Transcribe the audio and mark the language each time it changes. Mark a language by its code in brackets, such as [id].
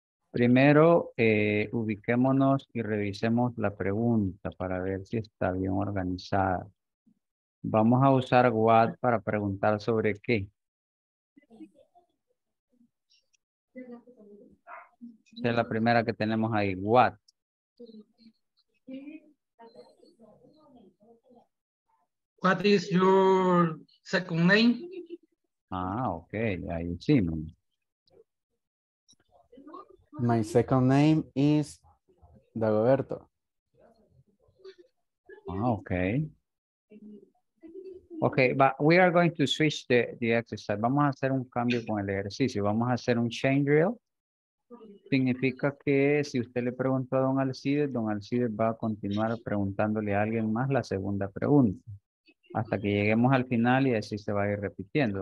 [es] Primero, ubiquémonos y revisemos la pregunta para ver si está bien organizada. Vamos a usar what para preguntar sobre qué. Esta es la primera que tenemos ahí, what. [en] What is your second name? [es] Ah, okay, ahí sí. [en] My second name is Dagoberto. Ah, okay. Okay, but we are going to switch the exercise. [es] Vamos a hacer un cambio con el ejercicio. Vamos a hacer un chain drill. Significa que si usted le preguntó a Don Alcides, Don Alcides va a continuar preguntándole a alguien más la segunda pregunta. Hasta que lleguemos al final y así se va a ir repitiendo.